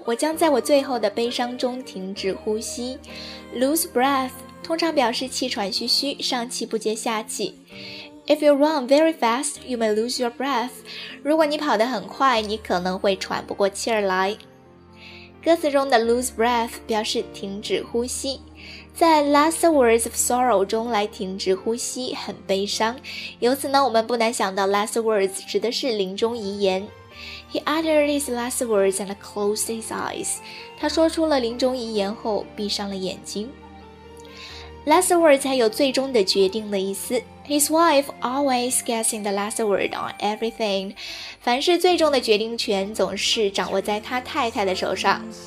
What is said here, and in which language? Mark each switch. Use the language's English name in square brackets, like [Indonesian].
[Chinese] 我将在我最后的悲伤中停止呼吸。 Lose breath 通常表示气喘吁吁，上气不接下气。 [English] If you run very fast, you may lose your breath. [Chinese] 如果你跑得很快，你可能会喘不过气儿来。歌词中的 lose breath 表示停止呼吸，在 [English] last words of sorrow [Chinese] 中来停止呼吸很悲伤。由此呢，我们不难想到 last words 指的是临终遗言。 [English] He uttered his last words and closed his eyes. [Chinese] 他说出了临终遗言后闭上了眼睛。 Last words 还有最终的决定的意思。 [English] His wife always gets in the last word on everything. [Chinese] 凡是最终的决定权总是掌握在他太太的手上。